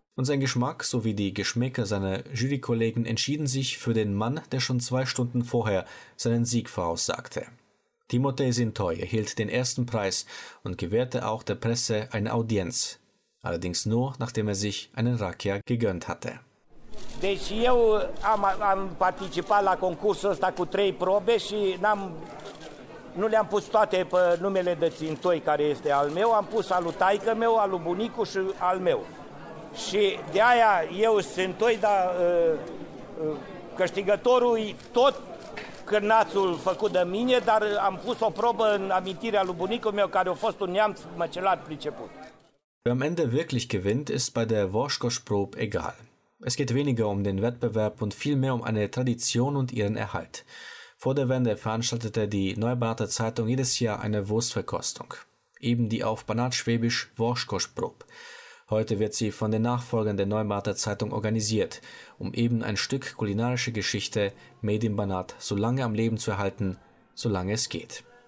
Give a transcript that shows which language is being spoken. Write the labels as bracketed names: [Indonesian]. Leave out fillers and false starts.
[German] Und sein Geschmack sowie die Geschmäcker seiner Jurykollegen entschieden sich für den Mann, der schon 2 Stunden vorher seinen Sieg voraussagte. Timothée Sintoy erhielt den 1. Preis und gewährte auch der Presse eine Audienz. Allerdings nur, nachdem er sich einen Rakia gegönnt hatte. [Romanian] Deci eu am participat la concursul ăsta cu 3 probe și nu le-am pus toate pe numele de Țintoi, care este al meu, am pus al lui taică meu, al lui bunicu și al meu. Și de aia eu Țintoi, dar câștigătorul tot cârnațul făcut de mine, dar am pus o probă în amintirea lui bunicul meu, care a fost un neamț măcelar priceput. [German] Wer am Ende wirklich gewinnt, ist bei der Woschkosch-Probe egal. Es geht weniger um den Wettbewerb und vielmehr um eine Tradition und ihren Erhalt. Vor der Wende veranstaltete die Neue Banater Zeitung jedes Jahr eine Wurstverkostung. Eben die auf Banatschwäbisch Woschkosch-Probe. Heute wird sie von den Nachfolgern der Neue Banater Zeitung organisiert, um eben ein Stück kulinarische Geschichte Made in Banat so lange am Leben zu erhalten, solange es geht.